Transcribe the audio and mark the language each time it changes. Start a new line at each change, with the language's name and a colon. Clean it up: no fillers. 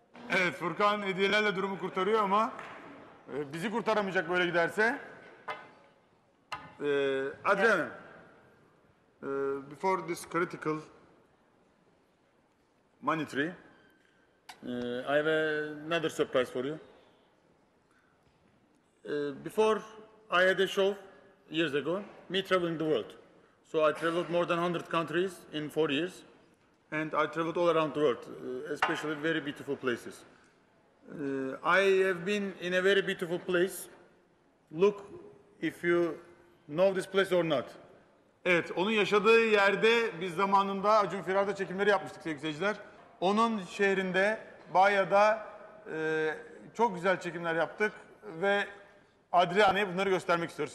Turkish: Evet, Furkan hediyelerle durumu kurtarıyor ama bizi kurtaramayacak böyle giderse.
English: Adrian, before this critical money tree, I have another surprise for you. Before I had a show years ago, me traveling the world. So I traveled more than 100 countries in 4 years, and I traveled all around the world, especially very beautiful places. I have been in a very beautiful place. Look if you know this place or not.
Turkish: Evet, onun yaşadığı yerde biz zamanında Acun Firar'da çekimleri yapmıştık sevgili seyirciler. Onun şehrinde Baia'da çok güzel çekimler yaptık ve Adriana'ya bunları göstermek istiyoruz.